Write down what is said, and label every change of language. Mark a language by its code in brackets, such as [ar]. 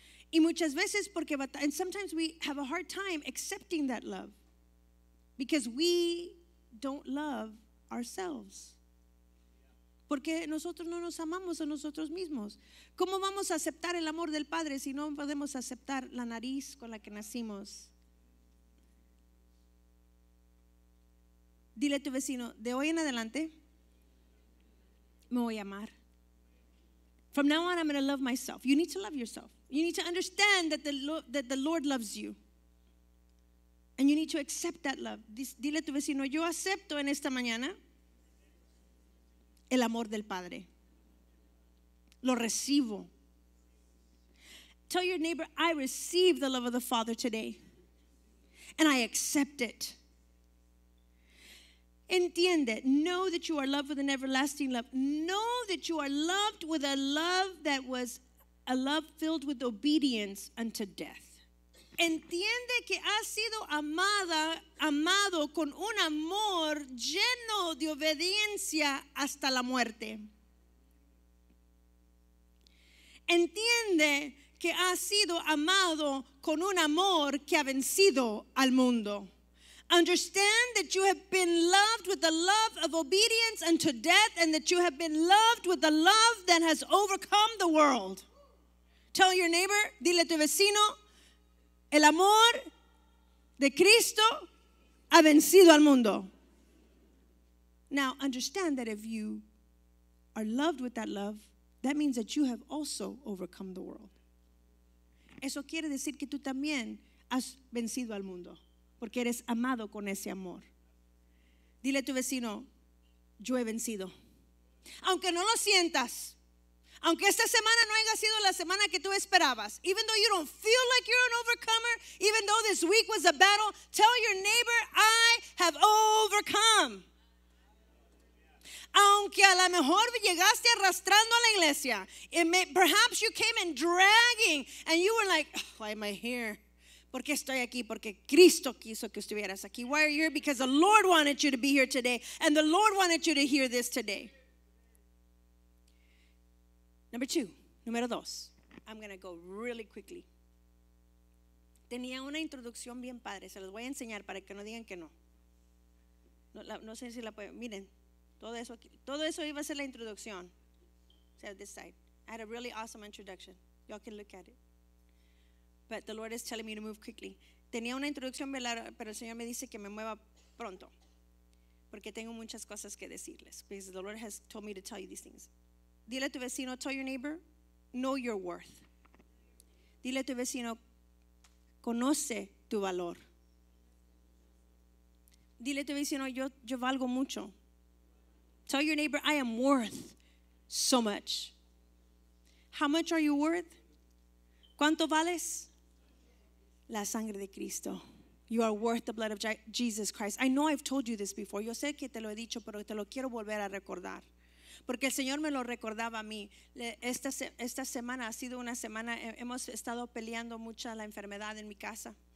[es] Y muchas veces porque [en] and sometimes we have a hard time accepting that love because we don't love ourselves. [es] Porque nosotros no nos amamos a nosotros mismos. ¿Cómo vamos a aceptar el amor del Padre si no podemos aceptar la nariz con la que nacimos? Dile a tu vecino, de hoy en adelante, me voy a amar. [en] From now on, I'm going to love myself. You need to love yourself. You need to understand that the Lord loves you. And you need to accept that love. [es] Dile a tu vecino, yo acepto en esta mañana el amor del Padre. Lo recibo. [en] Tell your neighbor, I receive the love of the Father today. And I accept it. [es] Entiende, [en] know that you are loved with an everlasting love. Know that you are loved with a love that was a love filled with obedience unto death. [es] Entiende que has sido amada, amado con un amor lleno de obediencia hasta la muerte. Entiende que has sido amado con un amor que ha vencido al mundo. [en] Understand that you have been loved with the love of obedience unto death, and that you have been loved with the love that has overcome the world. Tell your neighbor, [es] dile a tu vecino, el amor de Cristo ha vencido al mundo. [en] Now understand that if you are loved with that love, that means that you have also overcome the world. [es] Eso quiere decir que tú también has vencido al mundo, porque eres amado con ese amor. Dile a tu vecino, yo he vencido. Aunque no lo sientas, aunque esta semana no haya sido la semana que tú esperabas, [en] even though you don't feel like you're an overcomer, even though this week was a battle, tell your neighbor, I have overcome. [es] Aunque a lo mejor llegaste arrastrando a la iglesia, [en] perhaps you came in dragging and you were like, why am I here? [es] ¿Por qué estoy aquí? Porque Cristo quiso que estuvieras aquí. [en] Why are you here? Because the Lord wanted you to be here today and the Lord wanted you to hear this today. Number two, [es] número dos. [en] I'm going to go really quickly. [es] Tenía una introducción bien padre. Se los voy a enseñar para que no digan que no. No sé si la pueden. Miren, todo eso iba a ser la introducción. [en] So this side. I had a really awesome introduction. Y'all can look at it. But the Lord is telling me to move quickly. [es] Tenía una introducción bien larga, pero el Señor me dice que me mueva pronto. Porque tengo muchas cosas que decirles. [en] Because the Lord has told me to tell you these things. [es] Dile a tu vecino, [en] tell your neighbor, know your worth. [es] Dile a tu vecino, conoce tu valor. Dile a tu vecino, yo valgo mucho. [en] Tell your neighbor, I am worth so much. How much are you worth? [es] ¿Cuánto vales? La sangre de Cristo. [en] You are worth the blood of Jesus Christ. I know I've told you this before. [es] Yo sé que te lo he dicho, pero te lo quiero volver a recordar. Porque el Señor me lo recordaba a mí. Esta semana ha sido una semana, hemos estado peleando mucha la enfermedad en mi casa.